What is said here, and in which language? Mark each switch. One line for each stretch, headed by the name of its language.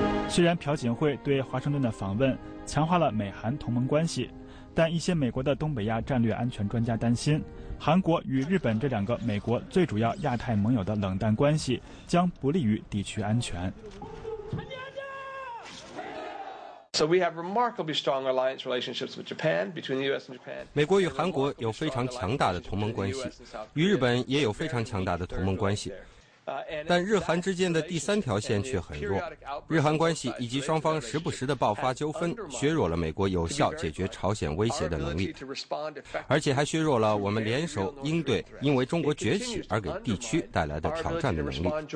Chinese: 虽然朴槿惠对华盛顿的访问强化了美韩同盟关系，但一些美国的东北亚战略安全专家担心，韩国与日本这两个美国最主要亚太盟友的冷淡关系将不利于地区安全。
English: So we have remarkably strong alliance relationships with Japan, between the U.S. and Japan.
Chinese: 美国与韩国有非常强大的同盟关系，与日本也有非常强大的同盟关系。但日韩之间的第三条线却很弱，日韩关系以及双方时不时的爆发纠纷削弱了美国有效解决朝鲜威胁的能力，而且还削弱了我们联手应对因为中国崛起而给地区带来的挑战的能力。